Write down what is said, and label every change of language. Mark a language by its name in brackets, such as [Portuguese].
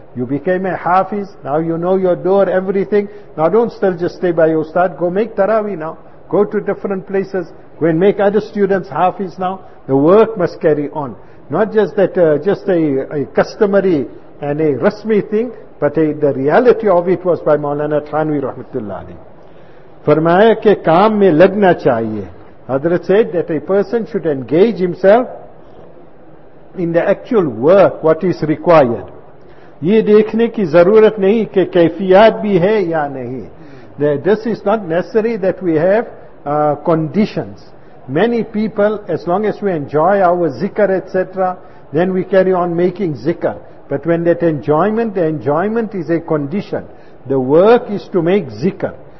[English] You became a hafiz, now you know your door, everything. Now don't still just stay by your ustad, go make tarawih now. Go to different places, go and make other students hafiz now. The work must carry on. Not just that, just a customary and a rasmi thing, but the reality of it was by Maulana Thanvi Rahmatullah Ali. [Urdu] فرمایا کہ کام میں لگنا چاہیے. [English] حضرت said that a person should engage himself in the actual work, what is required. [Urdu] یہ دیکھنے کی ضرورت نہیں کہ کیفیات بھی ہے یا نہیں. [English] This is not necessary that we have conditions. Many people, as long as we enjoy our zikr, etc., then we carry on making zikr. But when that enjoyment, the enjoyment is a condition. The work is to make zikr.